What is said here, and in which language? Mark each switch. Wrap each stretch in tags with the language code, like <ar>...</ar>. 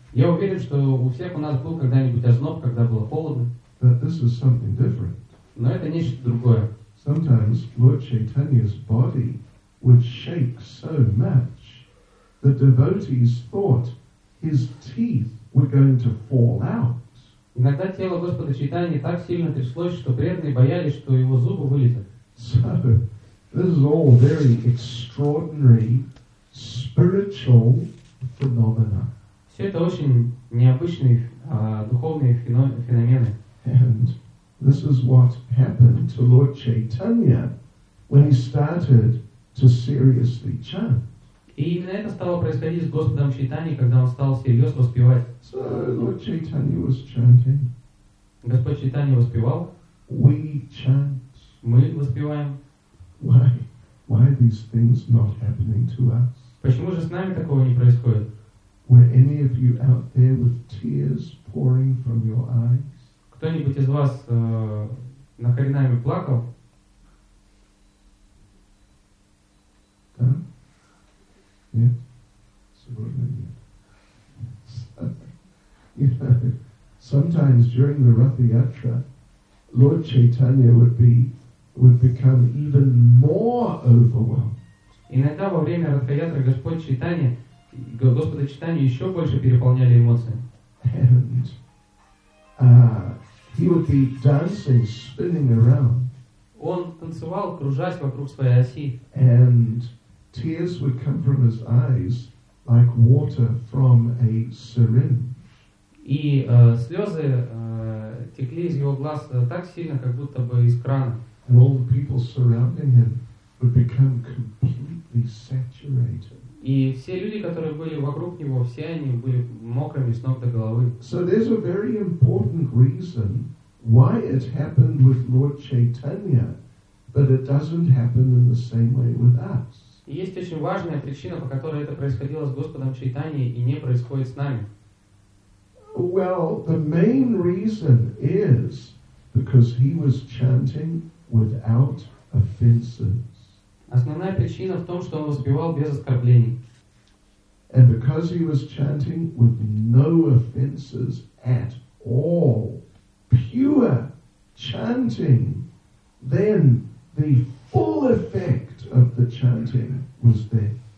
<ru>Я уверен, что у всех у нас был когда-нибудь озноб, когда было холодно.</ru> <en>But this is something different.</en> <ru>Но это нечто другое.</ru> <en>Sometimes Lord Chaitanya's body would shake so much that devotees thought his teeth were going to fall out.</en> <ru>Иногда тело Господа Чайтаньи так сильно тряслось, что преданные боялись, что его зубы вылетят.</ru> <en>So, this is all very extraordinary spiritual phenomena.</en> <ru>Все это очень необычные духовные феномены.</ru> <en>And this is what happened to Lord Chaitanya when he started to seriously chant.</en> <ru>И именно это стало происходить с Господом Чайтаньей, когда он стал серьезно воспевать.</ru> <en>So Lord Chaitanya was chanting.</en> <ru>Господь Чайтанья воспевал.</ru> <en>We chant.</en> <ru>Мы воспеваем.</ru> <en>Why are these things not happening to us?</en> <ru>Почему же с нами такого не происходит?</ru> <en>Were any of you out there with tears pouring from your eyes?</en> <ru>Кто-нибудь из вас на коренами плакал? Да? Нет? Сегодня нет.</ru> <en>You know, sometimes during the Ratha Yatra, Lord Chaitanya would become even more overwhelmed.</en> <ru>Иногда во время Ратха Ятры Господь Чайтанья Господа Чайтанью еще больше переполняли эмоции.</ru> <en>And he would be dancing, spinning around.</en> <ru>Он танцевал, кружась вокруг своей оси.</ru> <en>And tears would come from his eyes like water from a syringe.</en> <ru>И слезы текли из его глаз так сильно, как будто бы из крана.</ru> <en>And all the people surrounding him would become completely saturated.</en> <ru>И все люди, которые были вокруг него, все они были мокрыми с ног до головы.</ru> <en>So there's a very important reason why it happened with Lord Chaitanya, but it doesn't happen in the same way with us.</en> <ru>И есть очень важная причина, по которой это происходило с Господом Чайтаньей и не происходит с нами.</ru> <en>Well, the main reason is because he was chanting without offenses.</en> <ru>Основная причина в том, что он воспевал без оскорблений.</ru> <en>And because he was chanting with no offenses at all, pure chanting, then the full effect of the chanting was there.</en>